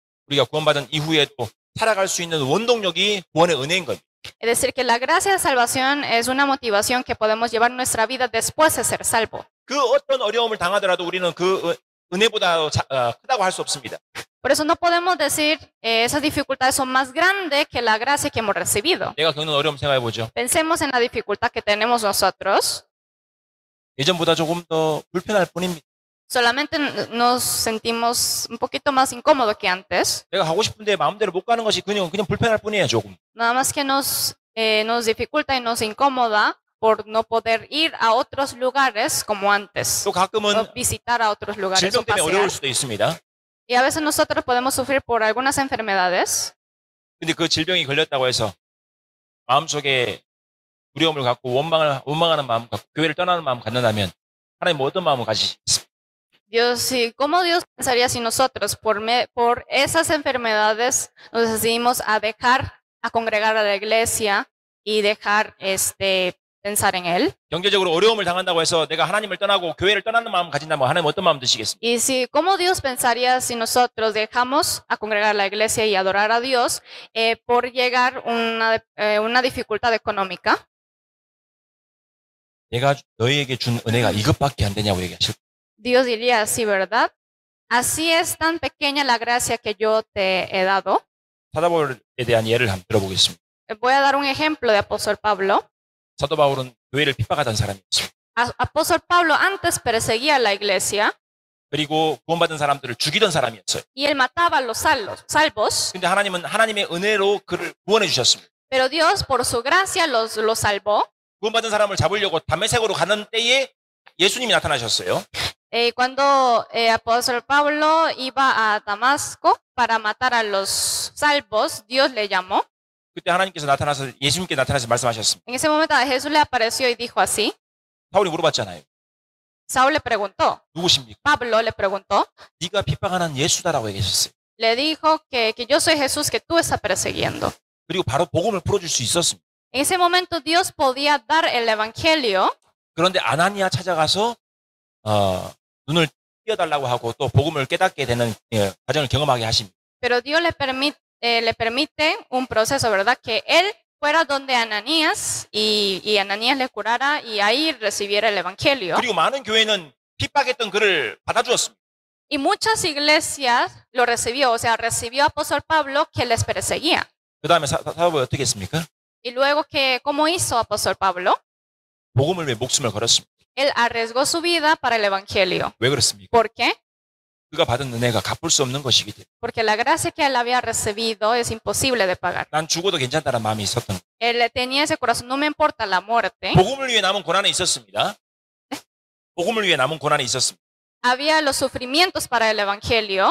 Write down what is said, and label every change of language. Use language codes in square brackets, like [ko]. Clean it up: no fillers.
[ko] 우리가 구원받은 이후에도 살아갈 수 있는 원동력이 구원의 은혜인 겁니다. [es] Es decir, que la gracia de salvación es una motivación que podemos llevar nuestra vida después de ser salvo. [ko] 그 어떤 어려움을 당하더라도 우리는 그 은혜보다 크다고 할 수 없습니다. [es] Por eso no podemos decir esas dificultades son más grandes que la gracia que hemos recibido. [ko] 내가 겪는 어려움 생각해 보죠. [es] Pensemos en la dificultad que tenemos nosotros. [ko] 예전보다 조금 더 불편할 뿐입니다. [es] Solamente nos sentimos un poquito más incómodo que antes. [ko] 내가 하고 싶은데 마음대로 못 가는 것이 그냥 불편할 뿐이에요, 조금. [es] Nada más que nos dificulta y nos incomoda. Por no poder ir a otros lugares como antes. O visitar a otros lugares. [ko] 질병 때문에 어려울 수도 있습니다. [es] Y a veces nosotros podemos sufrir por algunas enfermedades. [ko] 근데 그 질병이 걸렸다고 해서 마음속에 두려움을 갖고 원망하는 마음 갖고 교회를 떠나는 마음 갖는다면 하나님 뭐 어떤 마음을 가지시겠습니까? [es] ¿Cómo Dios pensaría si nosotros por esas enfermedades nos decidimos a dejar a congregar a la iglesia y dejar este pensar en él. [ko] 경제적으로 어려움을 당한다고 해서 내가 하나님을 떠나고 교회를 떠나는 마음 가진다면 하나님 어떤 마음 드시겠습니까? [es] Y si cómo Dios pensaría si nosotros dejamos a congregar la iglesia y adorar a Dios por llegar una dificultad económica? [ko] 내가 너희에게 준 은혜가 이것밖에 안 되냐고 얘기하실. [es] Dios diría así, ¿verdad? Así es tan pequeña la gracia que yo te he dado. [ko] 사도 바울에 대한 예를 한번 들어보겠습니다. [es] Voy a dar un ejemplo de apóstol Pablo. [ko] 사도 바울은 교회를 핍박하던 사람이었습니다. [es] Apóstol Pablo antes perseguía la iglesia. [ko] 그리고 구원받은 사람들을 죽이던 사람이었어요. [es] Y él mataba a los salvos. [ko] 근데 하나님은 하나님의 은혜로 그를 구원해 주셨습니다. [es] Pero Dios por su gracia lo salvó. [ko] 구원받은 사람을 잡으려고 다메섹으로 가는 때에 예수님이 나타나셨어요. [es] Cuando Apóstol Pablo iba a Damasco para matar a los salvos, Dios le llamó. [ko] 그때 하나님께서 나타나서 예수님께 나타나서 말씀하셨습니다. [es] En ese momento Jesús le apareció y dijo así. [ko] 사울이 물어봤잖아요. [es] Saul le preguntó. [ko] 누구십니까? [es] Pablo le preguntó. [ko] 네가 핍박하는 예수다라고 얘기했어요. [es] Le dijo que yo soy Jesús que tú estás persiguiendo. [ko] 그리고 바로 복음을 풀어줄 수 있었습니다. [es] En ese momento Dios podía dar el evangelio. [ko] 그런데 아나니아 찾아가서 눈을 띄어 달라고 하고 또 복음을 깨닫게 되는 과정을 경험하게 하십니다. [es] Pero Dios le permite un proceso, ¿verdad? Que él fuera donde Ananías y Ananías le curara y ahí recibiera el evangelio. [ko] 그리고 많은 교회는 핍박했던 그를 받아주었습니다. [es] Y muchas iglesias lo recibió, o sea, recibió a apóstol Pablo que les perseguía. [ko] 그다음에 사도 바울 어떻게 했습니까? [es] Y luego que cómo hizo apóstol Pablo? [ko] 복음을 위해 목숨을 걸었습니다. [es] Él arriesgó su vida para el evangelio. [ko] 왜 그랬습니까? [es] ¿Por qué? [ko] 그가 받은 은혜가 갚을 수 없는 것이기 때문에. [es] Porque la gracia que él había recibido es imposible de pagar. [ko] 난 죽어도 괜찮다는 마음이 있었던. [es] Él tenía ese corazón, no me importa la muerte. [ko] 복음을 위해 남은 고난이 있었습니다. 복음을 위해 남은 고난이 있었습니다. [es] Había los sufrimientos para el evangelio.